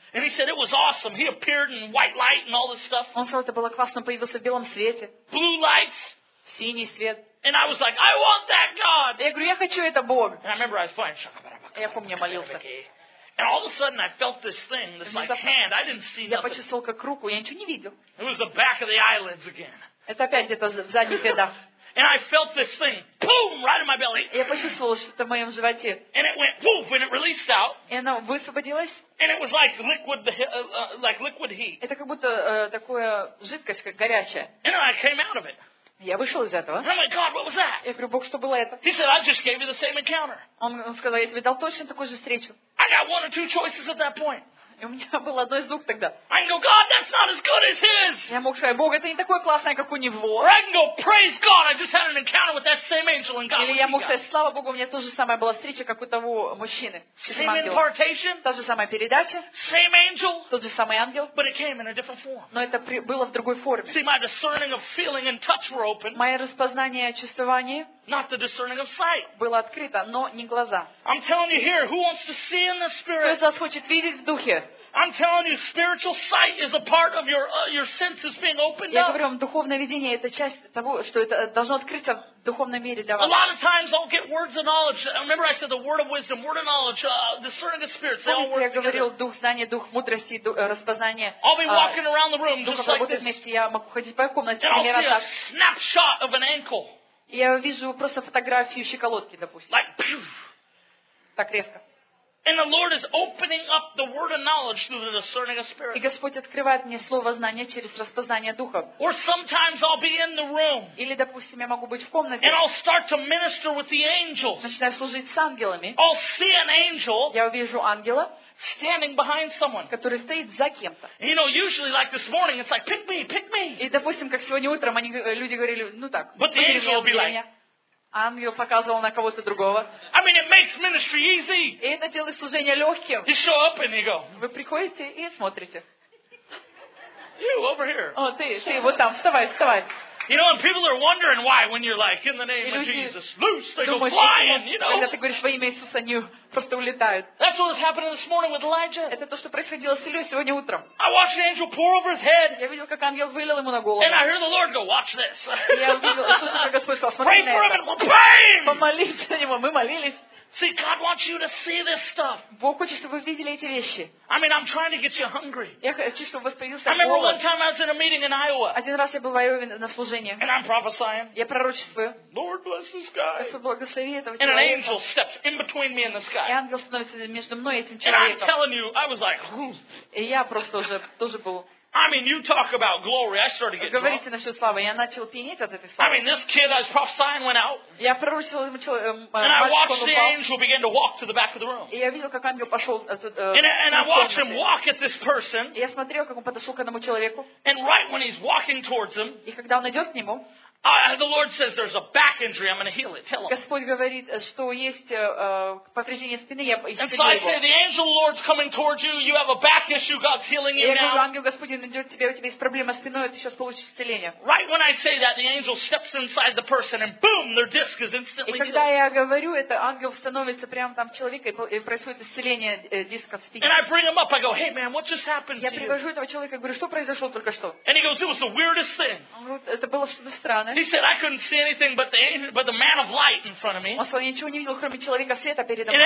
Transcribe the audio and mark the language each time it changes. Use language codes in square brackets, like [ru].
[en] And he said it was awesome. He appeared in white light and all this stuff. [ru] Он сказал, это было классно, появился в белом свете. [en] Blue lights. [ru] Синий свет. [en] And I was like, I want that God. [ru] Я говорю, я хочу это Бог. [en] And I remember I was playing shaka [ru] barabaka. Я помню, я молился. [en] And all of a sudden I felt this thing, this like hand. I didn't see nothing. [ru] Я почувствовал как руку, я ничего не видел. [en] It was the back of the eyelids again. [ru] Это опять где-то в задних рядах. [en] And I felt this thing, boom, right in my belly. [ru] Я почувствовал что-то в моем животе. [en] And it went, woof, and it released out. [ru] И оно высвободилось. [en] And it was like liquid, like liquid heat. [ru] Это как будто такое жидкость, как горячая. [en] And I came out of it. [ru] Я вышел из этого. [en] I'm like, God, what was that? [ru] Я говорю, Бог, что было это? [en] He said, I just gave you the same encounter. [ru] Он сказал, я тебе дал точно такую же встречу. [en] I got one or two choices at that point. [ru] И у меня было одно из двух тогда. [en] I can go, God, that's not as good as his. [ru] Я мог сказать, Бог, это не такое классное, как у него. [en] Or I can go, praise God, I just had an encounter with that same angel and God. [ru] Или я мог сказать, слава Богу, у меня тоже самая была встреча, как у того мужчины. [en] Same impartation. [ru] Та же самая передача. [en] Same angel. [ru] Тот же самый ангел. [en] But it came in a different form. [ru] Но это было в другой форме. [en] See, my discerning of feeling and touch were open. [ru] Мое распознание чувствования. [en] Not the discerning of sight. [ru] Было открыто, но не глаза. [en] I'm telling you here, who wants to see in the spirit? [ru] Кто из вас хочет видеть в духе? [en] I'm telling you, spiritual sight is a part of your senses being opened up. [ru] Я говорю вам, духовное видение это часть того, что это должно открыться в духовном мире для вас. [en] A lot of times I'll get words of knowledge. Remember I said the word of wisdom, word of knowledge, discerning of spirits. [ru] Я говорил дух знания, дух мудрости, распознание. [en] I'll be walking around the room just like this. [ru] Вместе я могу ходить по комнате, например, так. [en] Snapshot of an ankle. [ru] Я вижу просто фотографию щиколотки, допустим. [en] Like, [ru] так резко. [en] And the Lord is opening up the word of knowledge through the discerning of spirit. [ru] И Господь открывает мне слово знания через распознание духа. [en] Or sometimes I'll be in the room. [ru] Или, допустим, я могу быть в комнате. [en] And I'll start to minister with the angels. [ru] Начинаю служить с ангелами. [en] I'll see an angel. [ru] Я увижу ангела. [en] Standing behind someone. [ru] Который стоит за кем-то. [en] You know, usually like this morning, it's like, pick me, pick me. [ru] И, допустим, как сегодня утром, они люди говорили, ну так. [en] But the angel will be like. [ru] Ангел показывал на кого-то другого. [en] I mean, it makes ministry easy. [ru] И это делает служение легким. [en] You show up and you go. [ru] Вы приходите и смотрите. [en] You over here. [ru] О, ты вот там, вставай. [en] You know, and people are wondering why when you're like in the name of Jesus, loose, they go flying. You know. [ru] Когда ты говоришь во имя Иисуса, они просто улетают. [en] That's what was happening this morning with Elijah. [ru] Это то, что происходило с Илией сегодня утром. [en] I watched the angel pour over his head. [ru] Я видел, как ангел вылил ему на голову. [en] And I heard the Lord go, watch this. [ru] Я услышал, как Господь сказал, смотри на это. [en] Pray for him and bang! [ru] Помолись за него. Мы молились. [en] See, God wants you to see this stuff. [ru] Бог хочет, чтобы вы видели эти вещи. [en] I mean, I'm trying to get you hungry. [ru] Я хочу, чтобы у вас появился голод. [en] I remember one time I was in a meeting in Iowa. [ru] Один раз я был в Айове на служении. [en] And I'm prophesying. [ru] Я пророчествую. [en] Lord bless this guy. [ru] Господь благослови этого человека. [en] And an angel steps in between me and this guy. [ru] И ангел становится между мной и этим человеком. [en] And I'm telling you, I was like, [ru] и я просто уже тоже был. [en] I mean, you talk about glory. I started to get. [ru] Говорите насчет славы. Я начал пенить от этой славы. [en] I mean, this kid I was prophesying went out. [ru] Я пророчил ему человека. [en] And I watched the angel begin to walk to the back of the room. [ru] И я видел, как ангел пошел. [en] And I watched him walk at this person. [ru] Я смотрел, как он подошел к одному человеку. [en] And right when he's walking towards him. [ru] И когда он идет к нему. [en] The Lord says there's a back injury. I'm going to heal it. Tell him. [ru] Господь говорит, что есть повреждение спины. Я исцелю его. [en] And so I say the angel of the Lord's coming towards you. You have a back issue. God's healing you now. [ru] Я говорю, ангел Господень идет к тебе, у тебя есть проблема с спиной, ты сейчас получишь исцеление. [en] Right when I say that, the angel steps inside the person, and boom, their disc is instantly healed. [ru] И когда я говорю это, ангел становится прямо там в человеке и происходит исцеление диска спины. [en] And I bring him up. I go, hey man, what just happened? [ru] Я привожу этого человека и говорю, что произошло только что? [en] And he goes, it was the weirdest thing. [ru] Это было что-то странное. [en] He said, I couldn't see anything but the man of light in front of me. [ru] Он сказал, я ничего не видел, кроме человека света передо мной.